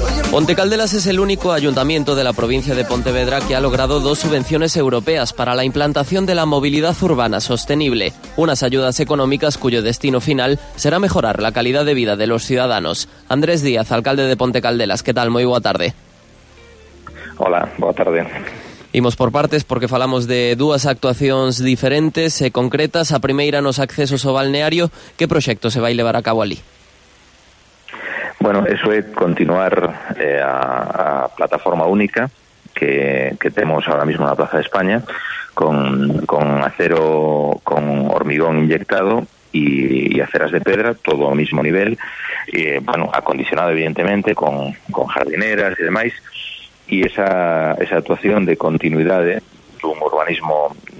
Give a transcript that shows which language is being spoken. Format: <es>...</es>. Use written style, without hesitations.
<es>Ponte Caldelas es el único ayuntamiento de la provincia de Pontevedra que ha logrado dos subvenciones europeas para la implantación de la movilidad urbana sostenible, unas ayudas económicas cuyo destino final será mejorar la calidad de vida de los ciudadanos. Andrés Díaz, alcalde de Ponte Caldelas, ¿qué tal? Muy buena tarde. Hola, buena tarde.</es> <gl>Imos por partes porque falamos de dúas actuacións diferentes e concretas. A primeira nos accesos ao balneario. ¿Qué proxecto se vai levar a cabo ali?</gl> <es>Bueno, eso es continuar a plataforma única que tenemos ahora mismo en la Plaza de España con acero, con hormigón inyectado y aceras de piedra, todo al mismo nivel, bueno, acondicionado evidentemente con jardineras y demás, y esa actuación de continuidad de un urbanismo,</es>